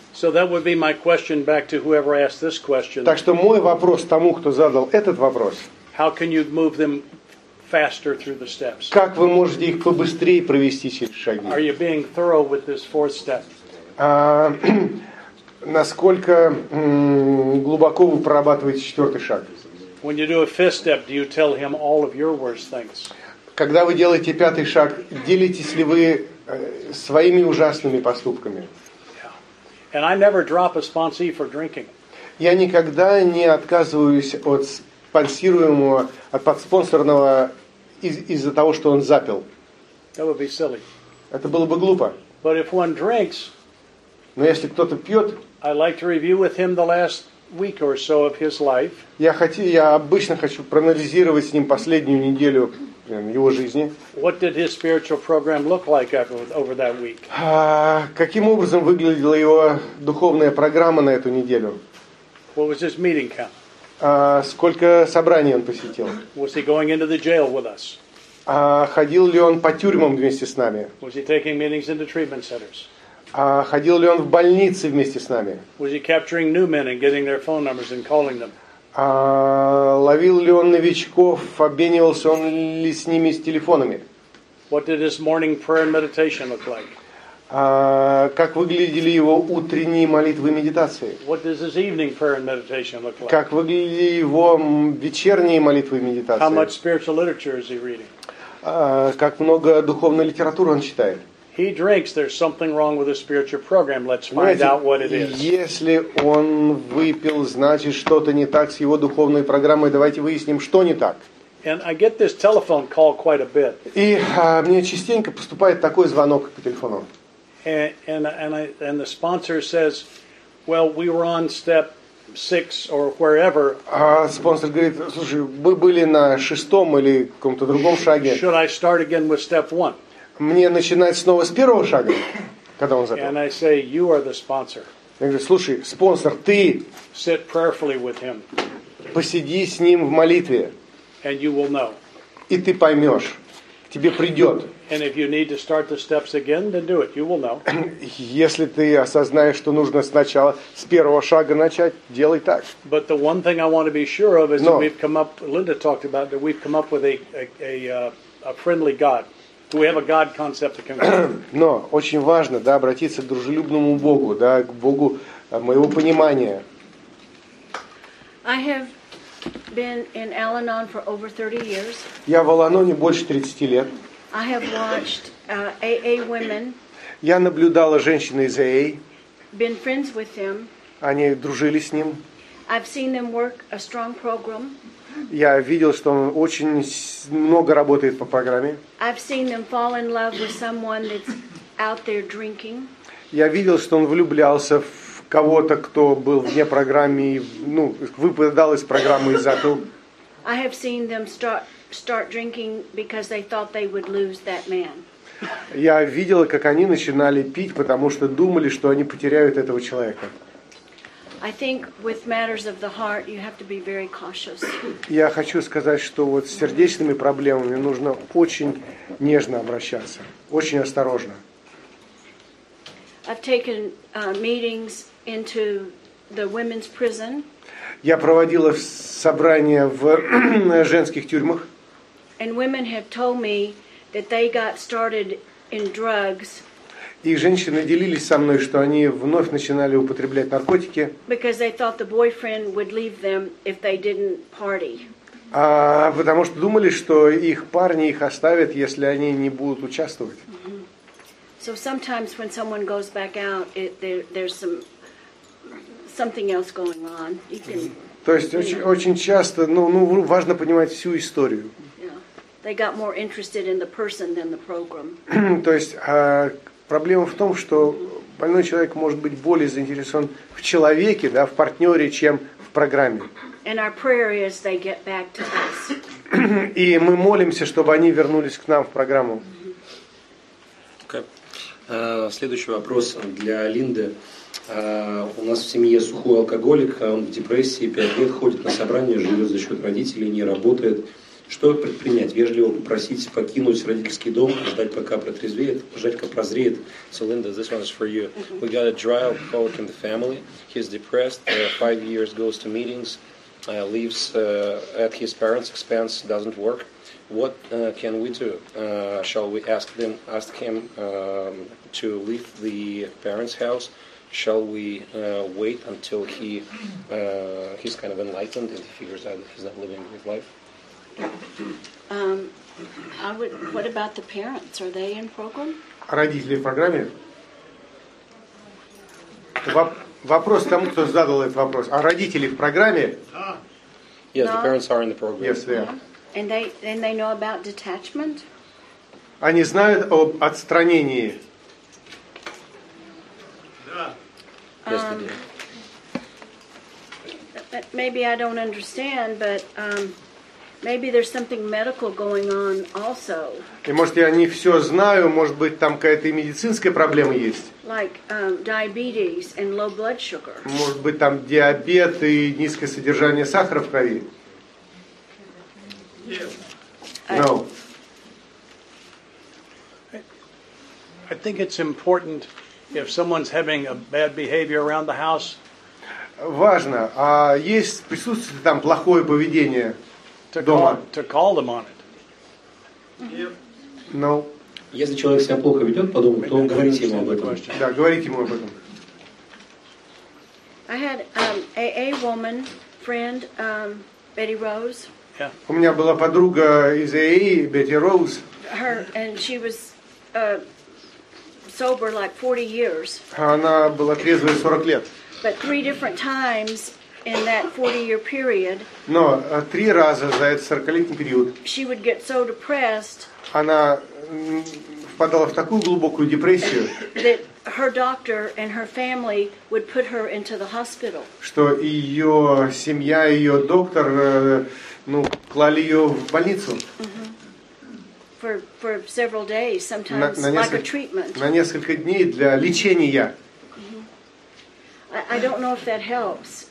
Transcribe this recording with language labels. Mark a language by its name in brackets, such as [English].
[Russian] Так что мой вопрос тому, кто задал этот вопрос. Как вы можете их побыстрее провести через шаги? Насколько глубоко вы прорабатываете четвертый шаг? [English] When you do a fifth step, do you tell him all of your worst things? [Russian] Когда вы делаете пятый шаг, делитесь ли вы своими ужасными поступками? [English] Yeah. And I never drop a sponsee for drinking. [Russian] Я никогда не отказываюсь от спонсируемого, от подспонсорного из-за того, что он запил. [English] That would be silly. [Russian] Это было бы глупо. [English] But if one drinks, [Russian] но если кто-то пьет, [English] I like to review with him the last week or so of his life. [Russian] Я обычно хочу проанализировать с ним последнюю неделю его жизни. [English] What did his spiritual program look like over that week? [Russian] Каким образом выглядела его духовная программа на эту неделю? [English] What was his meeting count? [Russian] Сколько собраний он посетил? [English] Was he going into the jail with us? [Russian] Ходил ли он по тюрьмам вместе с нами? [English] Was he taking meetings into treatment centers? [Russian] Ходил ли он в больницы вместе с нами? [English] Was he capturing new men and getting their phone numbers and calling them? [Russian] Ловил ли он новичков, обменивался он ли с ними с телефонами? [English] What did his morning prayer and meditation look like? [Russian] Как выглядели его утренние молитвы и медитации? [English] What does his evening prayer and meditation look like? [Russian] Как выглядели его вечерние молитвы и медитации? [English] How much spiritual literature is he reading? [Russian] Как много духовной литературы он читает? [English] He drinks, there's something wrong with his spiritual program. Let's find out what it is. [Russian] Если он выпил, значит, что-то не так с его духовной программой. Давайте выясним, что не так. [English] And I get this telephone call quite a bit. [Russian] И мне частенько поступает такой звонок по телефону. [English] And the sponsor says, "Well, we were on step 6 or wherever." [Russian] Спонсор говорит: "Слушай, мы были на шестом или каком-то другом шаге." [English] Should I start again with step 1? [Russian] Мне начинать снова с первого шага, когда он запил. [English] And I say, you are the sponsor. [Russian] Я говорю, слушай, спонсор, ты. [English] Sit prayerfully with him. [Russian] Посиди с ним в молитве. [English] And you will know. [Russian] И ты поймешь. К тебе придет. [English] And if you need to start the steps again, then do it. You will know. [Russian] Если ты осознаешь, что нужно сначала с первого шага начать, делай так. [English] But the one thing I want to be sure of is that we've come up, Linda talked about, that we've come up with a friendly God. We have a God concept to come. [Russian] Но очень важно, да, обратиться к дружелюбному Богу, да, к Богу моего понимания. [English] I have been in Al-Anon for over 30 years. [Russian] Я в Al-Anon больше 30 лет. [English] I have watched AA women. [Russian] Я наблюдала женщин из AA. [English] Been friends with them. [Russian] Они дружили с ним. [English] I've seen them work a strong program. [Russian] Я видел, что он очень много работает по программе. [English] I've seen them fall in love with someone that's out there drinking. [Russian] Я видел, что он влюблялся в кого-то, кто был вне программы, ну, выпадал из программы из-за этого. [English] I have seen them start drinking because they thought they would lose that man. [Russian] Я видела, как они начинали пить, потому что думали, что они потеряют этого человека. [English] I think with matters of the heart you have to be very cautious. [Russian] Я хочу сказать, что вот с сердечными проблемами нужно очень нежно обращаться, очень осторожно. [English] I've taken meetings into the women's prison. [Russian] Я проводила собрания в женских тюрьмах. [English] And women have told me that they got started in drugs. [Russian] И женщины делились со мной, что они вновь начинали употреблять наркотики. [English] Because they thought the boyfriend would leave them if they didn't party. [Russian] А потому что думали, что их парни их оставят, если они не будут участвовать. [English] So sometimes when someone goes back out, there's something else going on. [Russian] То есть очень часто, ну важно понимать всю историю. [English] They got more interested in the person than the program. [Russian] То есть проблема в том, что больной человек может быть более заинтересован в человеке, да, в партнере, чем в программе. [English] And our prayer is they get back to us. [Russian] И мы молимся, чтобы они вернулись к нам в программу. [English] Okay. [Russian] Следующий вопрос для Линды. У нас в семье сухой алкоголик, он в депрессии, 5 лет ходит на собрания, живет за счет родителей, не работает. Что предпринять? Вежливо попросить покинуть родительский дом, ждать, пока протрезвеет, ждать, как прозреет. [English] So, Linda, this one is for you. We got a dry alcoholic in the family. He's depressed. 5 years goes to meetings, leaves at his parents' expense, doesn't work. What can we do? Shall we ask him to leave the parents' house? Shall we wait until he's kind of enlightened and he figures out that he's not living his life? I would. What about the parents? Are they in program? [Russian] Родители в программе? Вопрос тому, кто задал этот вопрос. А родители в программе? [English] Yes, the parents are in the program. Yes, they are. And they know about detachment? [Russian] Они знают об отстранении. Да. [English] Yes, they do. Maybe I don't understand, but maybe there's something medical going on also. [Russian] И может я не все знаю, может быть там какая-то медицинская проблема есть. [English] Like diabetes and low blood sugar. [Russian] Может быть там диабет и низкое содержание сахара в крови. [English] Yeah. No. I think it's important if someone's having a bad behavior around the house. [Russian] Важно, а есть присутствует ли там плохое поведение? [English] To call them on it. Yep. No. [Russian] Если человек себя плохо ведет по дому, то говорите ему об этом. Да, говорите ему об этом. [English] I had AA woman friend Betty Rose. Yeah. [Russian] У меня была подруга из AA, Betty Rose. [English] Her and she was sober like 40 years. [Russian] Она была трезвой 40 лет. [English] But 3 different times in that 40-year period. [Russian] Но три раза за этот 40-летний период. [English] She would get so depressed. [Russian] Она впадала в такую глубокую депрессию. [English] That her doctor and her family would put her into the hospital. [Russian] Что ее семья, ее доктор, ну, клали ее в больницу. [English] For several days, sometimes like a treatment. [Russian] На несколько дней для лечения. [English] I don't know if that helps.